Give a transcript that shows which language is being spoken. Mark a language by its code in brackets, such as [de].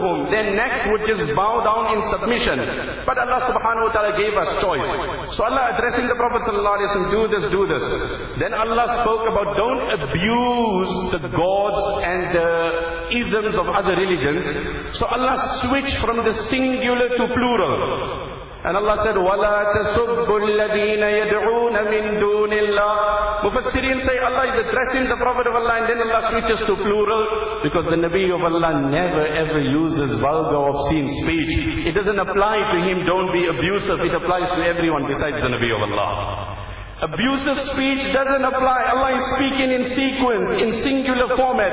[en] Their necks would just bow down in submission. But Allah subhanahu wa ta'ala gave us choice. So Allah addressing the Prophet sallallahu alayhi wa sallam, do this. Then Allah spoke about don't abuse the gods and the isms of other religions. So Allah switched from the singular to plural. And Allah said, [ar] وَلَا تَسُبُّ الَّذِينَ يَدْعُونَ مِن دُونِ اللَّهِ. [en] Mufassirin say Allah is addressing the Prophet of Allah, and then Allah switches to plural because the Nabi of Allah never ever uses vulgar obscene speech. It doesn't apply to him, don't be abusive. It applies to everyone besides the Nabi of Allah. Abusive speech doesn't apply. Allah is speaking in sequence, in singular format.